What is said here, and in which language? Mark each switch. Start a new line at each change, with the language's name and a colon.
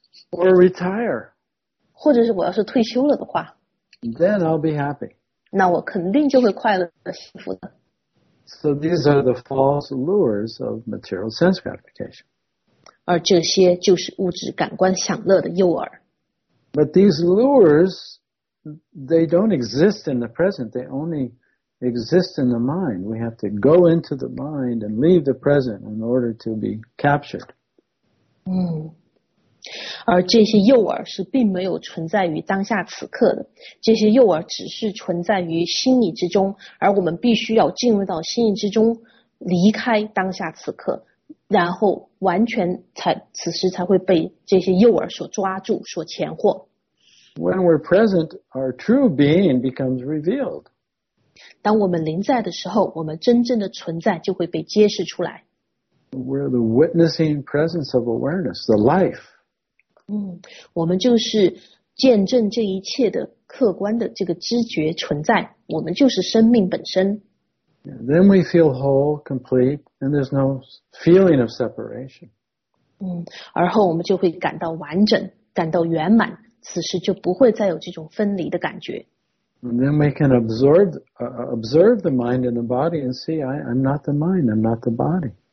English: Or retire.
Chinese: 或者是我要是退休了的话。
English: Then I'll be happy.
Chinese: 那我肯定就会快乐的幸福的。
English: So these are the false lures of material sense gratification.
Chinese: 而这些就是物质感官享乐的诱饵。
English: But these lures, they don't exist in the present. They only exist in the mind. We have to go into the mind and leave the present in order to be captured.
Chinese: 而这些诱饵是并没有存在于当下此刻的，这些诱饵只是存在于心理之中，而我们必须要进入到心理之中，离开当下此刻，然后完全才此时才会被这些诱饵所抓住，所钳获。
English: When we're present, our true being becomes revealed.
Chinese: 当我们临在的时候，我们真正的存在就会被揭示出来。
English: We're the witnessing presence of awareness, the life.
Chinese: 我们就是见证这一切的客观的这个知觉存在，我们就是生命本身。
English: Then we feel whole, complete, and there's no feeling of separation.
Chinese: 而后我们就会感到完整，感到圆满，此时就不会再有这种分离的感觉。
English: And then we can observe the mind and the body and see, I'm not the mind, I'm not the body.